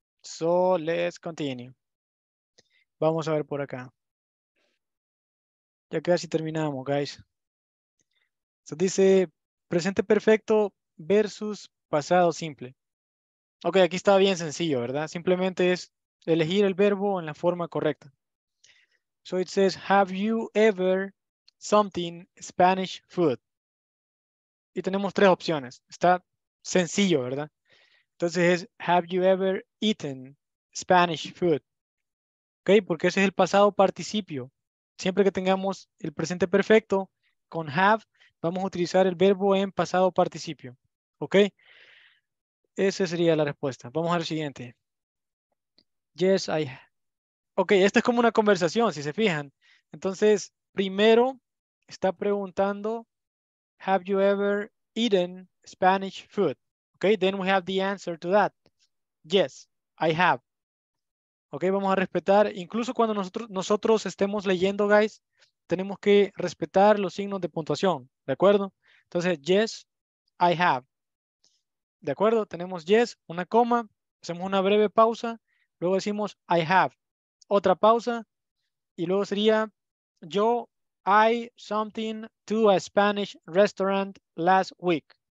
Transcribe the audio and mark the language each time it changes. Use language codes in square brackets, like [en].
[en] So let's continue. [es] Vamos a ver por acá. Ya casi terminamos, guys. So dice presente perfecto versus pasado simple. Ok, aquí está bien sencillo, ¿verdad? Simplemente es elegir el verbo en la forma correcta. [en] So it says, have you ever something Spanish food? [es] Y tenemos tres opciones. Está sencillo, ¿verdad? Entonces es, [en] have you ever eaten Spanish food? [es] Ok, porque ese es el pasado participio. Siempre que tengamos el presente perfecto con have, vamos a utilizar el verbo en pasado participio. Ok. Esa sería la respuesta. Vamos al siguiente. Yes, I... Ok, esta es como una conversación, si se fijan. Entonces, primero está preguntando, [en] have you ever eaten Spanish food? Ok, then we have the answer to that. Yes, I have. Ok, [es] vamos a respetar. Incluso cuando nosotros estemos leyendo, guys, tenemos que respetar los signos de puntuación. ¿De acuerdo? Entonces, [en] yes, I have. [es] ¿De acuerdo? Tenemos yes, una coma, hacemos una breve pausa, luego decimos I have, otra pausa, y luego sería yo, [en] I something to a Spanish restaurant last week.